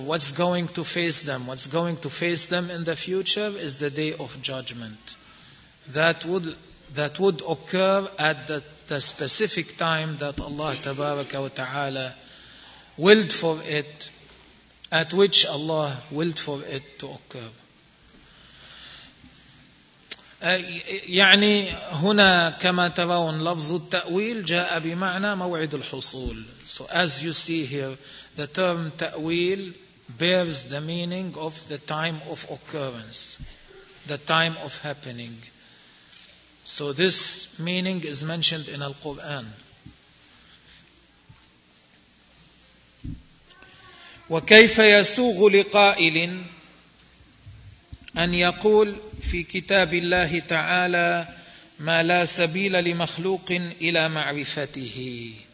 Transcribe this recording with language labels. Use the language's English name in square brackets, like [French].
[English] What's going to face them? What's going to face them in the future is the day of judgment. That would occur at the specific time that Allah Tabaraka wa Ta'ala willed for it, at which Allah willed for it to occur. [Arabic] يعني هنا كما ترون لفظ التأويل جاء بمعنى موعد الحصول. [English] So as you see here, the term تأويل bears the meaning of the time of occurrence, the time of happening. So this meaning is mentioned in Al-Quran. [Arabic] وكيف يسوغ لقائل أن يقول في كتاب الله تعالى ما لا سبيل لمخلوق إلى معرفته.